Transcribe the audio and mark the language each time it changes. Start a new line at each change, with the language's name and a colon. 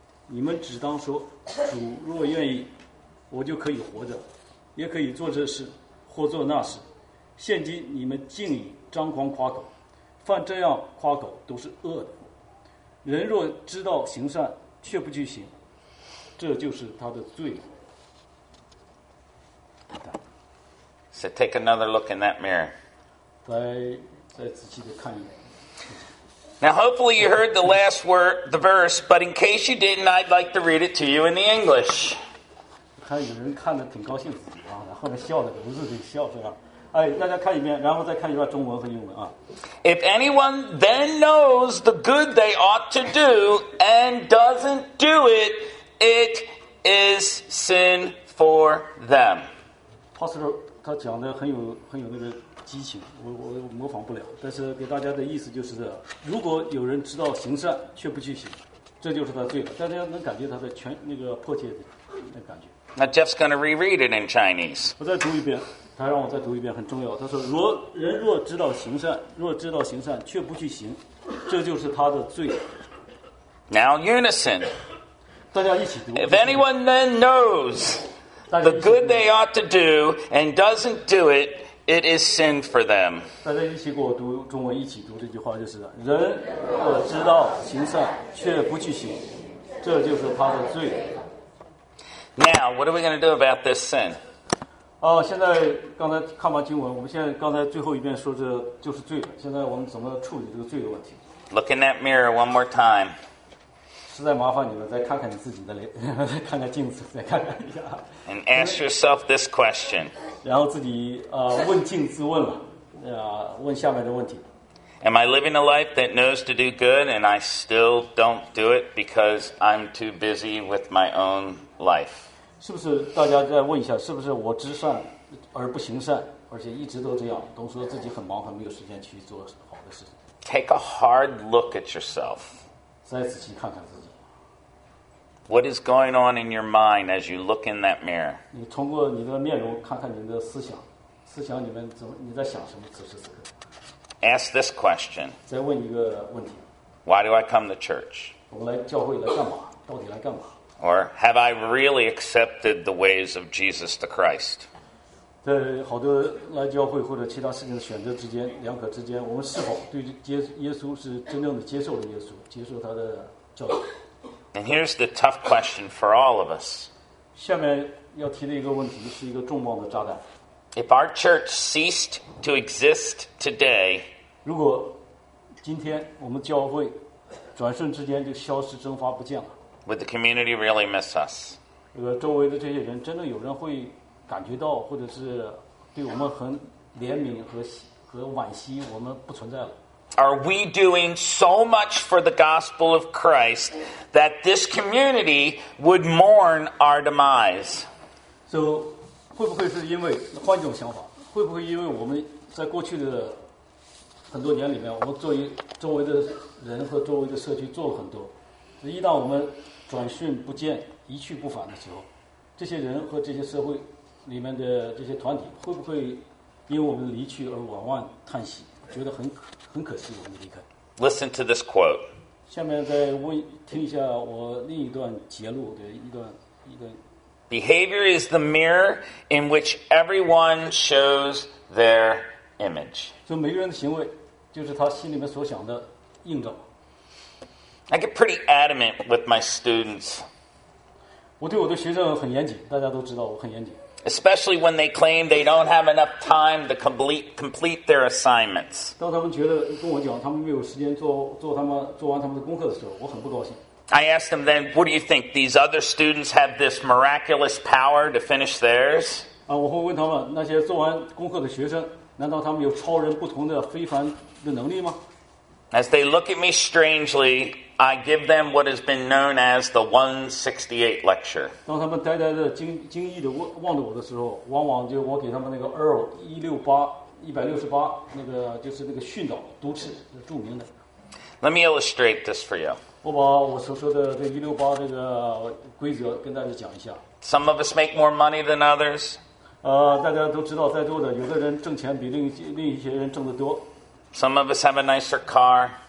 Chinese: 你们只当说，主若愿意，我就可以活着，也可以做这事，或做那事。现今你们竟以张狂夸口，犯这样夸口都是恶的。人若知道行善，却不去行，这就是他的罪。
English: So take another look in that mirror.
Chinese: 再仔细的看一眼。
English: Now, hopefully you heard the last word, the verse, but in case you didn't, I'd like to read it to you in the English.
Chinese: 看有人看得挺高兴自己啊，然后面笑得不是得笑是吧？哎，大家看一遍，然后再看一遍中文和英文啊。
English: If anyone then knows the good they ought to do and doesn't do it, it is sin for them.
Chinese: Pastor 他讲的很有那个激情，我模仿不了。但是给大家的意思就是，如果有人知道行善却不去行，这就是他罪了。大家能感觉他的全那个迫切的那感觉。
English: Now Jeff's going to reread it in Chinese.
Chinese: 我再读一遍，他让我再读一遍，很重要。他说，若人若知道行善，若知道行善却不去行，这就是他的罪。
English: Now unison.
Chinese: 大家一起读。
English: If anyone then knows the good they ought to do and doesn't do it, it is sin for them.
Chinese: 大家一起给我读中文，一起读这句话，就是人若知道行善却不去行，这就是他的罪。
English: Now, what are we going to do about this sin?
Chinese: 现在刚才看完经文，我们现在刚才最后一遍说这就是罪了。现在我们怎么处理这个罪的问题？
English: Look in that mirror one more time.
Chinese: 实在麻烦你了，再看看你自己的脸，看看镜子，再看看一下。
English: And ask yourself this question.
Chinese: 然后自己问镜自问了，问下面的问题。
English: Am I living a life that knows to do good and I still don't do it because I'm too busy with my own life?
Chinese: 是不是大家再问一下，是不是我知善而不行善，而且一直都这样，都说自己很忙，还没有时间去做好的事情。
English: Take a hard look at yourself.
Chinese: 再仔细看看自己。
English: What is going on in your mind as you look in that mirror?
Chinese: 你通过你的面容看看你的思想，思想里面怎么，你在想什么，此时此刻。
English: Ask this question.
Chinese: 再问一个问题。
English: Why do I come to church?
Chinese: 我来教会来干嘛？到底来干嘛？
English: Or have I really accepted the ways of Jesus the Christ?
Chinese: 在好多来教会或者其他事情的选择之间，两可之间，我们是否对耶稣是真正的接受了耶稣，接受他的教导？
English: And here's the tough question for all of us.
Chinese: 下面要提的一个问题是一个重磅的炸弹。
English: If our church ceased to exist today,
Chinese: 如果今天我们教会转瞬之间就消失蒸发不见了。
English: Would the community really miss us?
Chinese: 周围的这些人真的有人会感觉到，或者是对我们很怜悯和惋惜，我们不存在了。
English: Are we doing so much for the gospel of Christ that this community would mourn our demise?
Chinese: So, 会不会是因为换一种想法？会不会因为我们在过去的很多年里面，我们作为周围的人和周围的社区做了很多？一旦我们转瞬不见、一去不返的时候，这些人和这些社会里面的这些团体，会不会因为我们离去而往往叹息，觉得很可惜我们离开
English: ？Listen to this quote.
Chinese: 下面再问听一下我另一段节录的一段。
English: Behavior is the mirror in which everyone shows their image.
Chinese: 就每个人的行为，就是他心里面所想的映照。
English: I get pretty adamant with my students.
Chinese: 我对我的学生很严谨，大家都知道我很严谨。
English: Especially when they claim they don't have enough time to complete their assignments.
Chinese: 当他们觉得跟我讲他们没有时间做他们做完他们的功课的时候，我很不高兴。
English: I asked them then, what do you think? These other students have this miraculous power to finish theirs?
Chinese: 我会问他们，那些做完功课的学生，难道他们有超人不同的非凡的能力吗？
English: As they look at me strangely, I give them what has been known as the 168 lecture.
Chinese: 当他们呆呆的惊异的望着我的时候，往往就我给他们那个 Earl 168那个就是那个训导读斥，著名的。
English: Let me illustrate this for you.
Chinese: 我把我所说的这168这个规则跟大家讲一下。
English: Some of us make more money than others.
Chinese: 大家都知道，在座的有的人挣钱比另一些人挣得多。
English: Some of us have a nicer car.